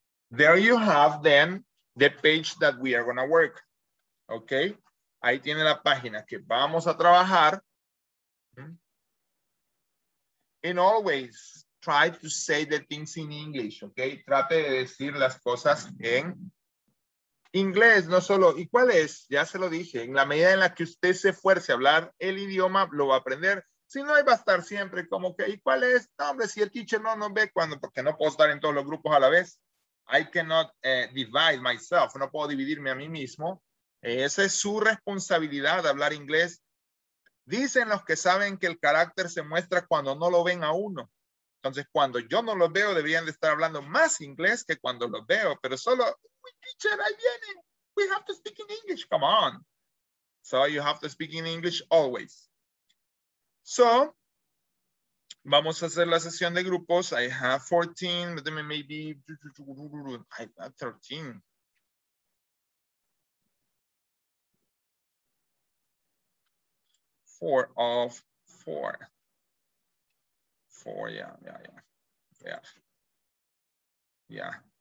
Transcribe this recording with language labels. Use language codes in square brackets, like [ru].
[en] There you have then the page that we are gonna work. Okay. [es] Ahí tiene la página que vamos a trabajar. [en] And always try to say the things in English, okay? [es] Trate de decir las cosas en inglés, no solo. ¿Y cuál es? Ya se lo dije. En la medida en la que usted se esfuerce a hablar el idioma, lo va a aprender. Si no, ahí va a estar siempre como que, ¿y cuál es? No, hombre, si el teacher no nos ve, cuando, porque no puedo estar en todos los grupos a la vez. [en] I cannot divide myself. [es] No puedo dividirme a mí mismo. Esa es su responsabilidad, hablar inglés. Dicen los que saben que el carácter se muestra cuando no lo ven a uno. Entonces, cuando yo no los veo, deberían de estar hablando más inglés que cuando los veo. Pero solo, teacher, ahí vienen. [en] We have to speak in English. Come on. So, you have to speak in English always. [es] So, vamos a hacer la sesión de grupos. [en] I have 14, but then maybe I have 13. Four of four. Four, yeah.